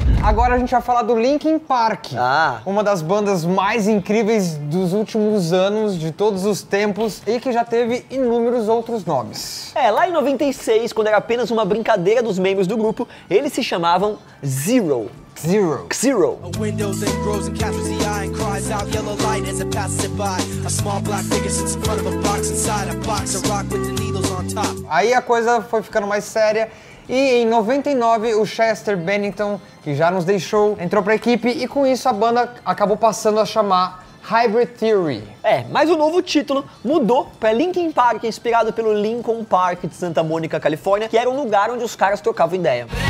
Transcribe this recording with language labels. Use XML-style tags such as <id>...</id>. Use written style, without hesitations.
<pt>agora a gente vai falar do Linkin Park. Ah. Uma das bandas mais incríveis dos últimos anos, de todos os tempos, e que já teve inúmeros outros nomes. É, lá em 96, quando era apenas uma brincadeira dos membros do grupo, eles se chamavam Zero. Zero. Xero.</pt> <en>A window that grows and captures the eye and cries out yellow light as it passes it by. A small black figure sits in front of a box inside a box, a rock with the needles on top.</en> <pt>Aí a coisa foi ficando mais séria. E em 99, o Chester Bennington, que já nos deixou, entrou pra equipe e com isso a banda acabou passando a chamar Hybrid Theory. É, mas o novo título mudou pra Linkin Park, inspirado pelo Linkin Park de Santa Mônica, Califórnia, que era um lugar onde os caras trocavam ideia.</pt>